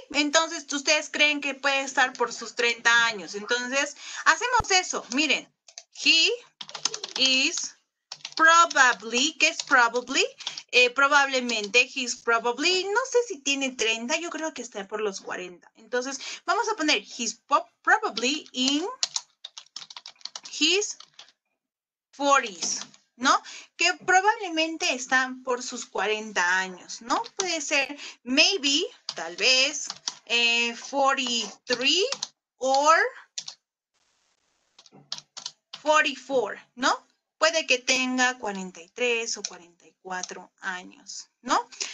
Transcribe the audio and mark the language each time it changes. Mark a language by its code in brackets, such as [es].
[es] Entonces, ustedes creen que puede estar por sus 30 años. Entonces, hacemos eso. Miren, [en] he is probably, [es] ¿qué es probably? Probablemente, [en] he's probably, [es] no sé si tiene 30, yo creo que está por los 40. Entonces, vamos a poner [en] he's probably in his 40s. [es] ¿No? Que probablemente están por sus 40 años, ¿no? Puede ser maybe, tal vez, [en] 43 or 44, [es] ¿no? Puede que tenga 43 o 44 años, ¿no?